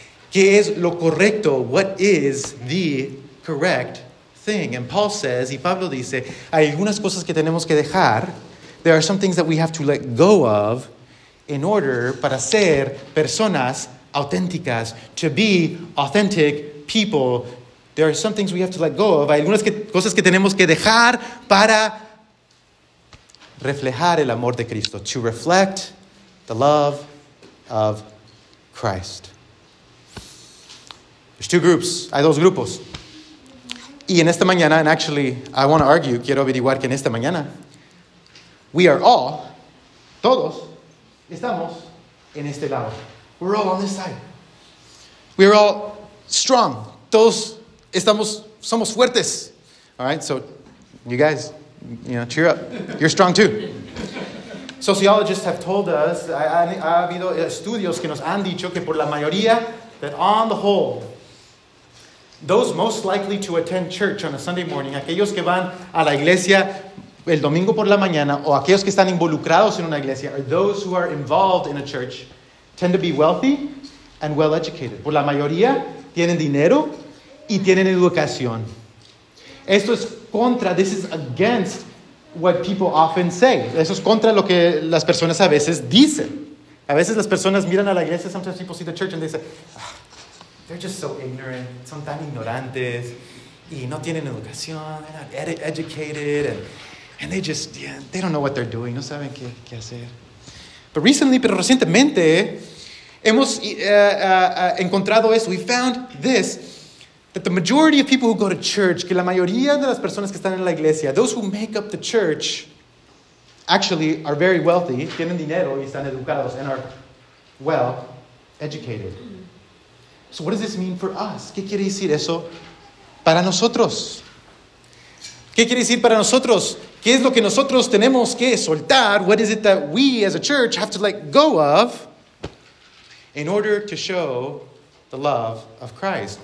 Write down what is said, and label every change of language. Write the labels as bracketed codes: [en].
[es] ¿Qué es lo correcto? [en] What is the correct thing? And Paul says, [es] y Pablo dice, hay algunas cosas que tenemos que dejar. [en] There are some things that we have to let go of in order [es] para ser personas auténticas, [en] to be authentic people. There are some things we have to let go of. [es] Hay algunas cosas que tenemos que dejar para reflejar el amor de Cristo. [en] To reflect the love of Christ. There's two groups. [es] Hay dos grupos. Y en esta mañana, [en] and actually, I want to argue, [es] quiero averiguar que en esta mañana, [en] we are all, [es] todos, estamos en este lado. [en] We're all on this side. We're all strong. [es] Todos somos fuertes. [en] All right, so you guys, you know, cheer up. You're strong too. Sociologists have told us, [es] ha habido estudios que nos han dicho que por la mayoría, [en] that on the whole, those most likely to attend church on a Sunday morning, [es] aquellos que van a la iglesia el domingo por la mañana, o aquellos que están involucrados en una iglesia, [en] or those who are involved in a church, tend to be wealthy and well-educated. [es] Por la mayoría, tienen dinero y tienen educación. Esto es contra, [en] this is against what people often say. [es] Eso es contra lo que las personas a veces dicen. A veces las personas miran a la iglesia, [en] sometimes people see the church and they say, they're just so ignorant, [es] son tan ignorantes, y no tienen educación, [en] they're not educated, and they just, they don't know what they're doing, [es] no saben qué hacer. [en] But recently, [es] pero recientemente, hemos encontrado eso, [en] we found this, That the majority of people who go to church, [es] que la mayoría de las personas que están en la iglesia, [en] those who make up the church, actually are very wealthy, [es] tienen dinero y están educados, [en] and are well educated. So what does this mean for us? [es] ¿Qué quiere decir eso para nosotros? ¿Qué quiere decir para nosotros? ¿Qué es lo que nosotros tenemos que soltar? [en] What is it that we as a church have to let go of in order to show the love of Christ?